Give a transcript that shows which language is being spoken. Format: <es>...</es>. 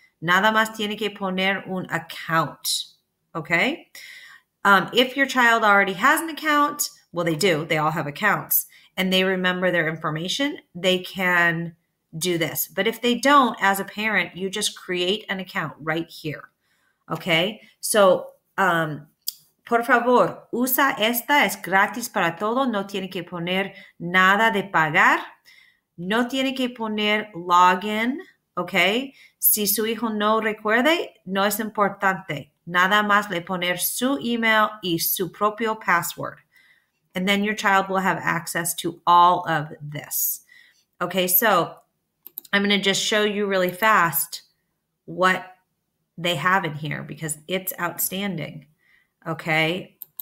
<es>Nada más tiene que poner un account. Okay.</es> <en>If your child already has an account, well, they do, they all have accounts, and they remember their information, they can do this. But if they don't, as a parent, you just create an account right here. Okay.</en> <es>So, por favor, usa esta, es gratis para todo, no tiene que poner nada de pagar. No tiene que poner login, okay? Si su hijo no recuerde, no es importante. Nada más le poner su email y su propio password.</es> <en>And then your child will have access to all of this. Okay, so I'm going to just show you really fast what they have in here because it's outstanding. Okay?</en>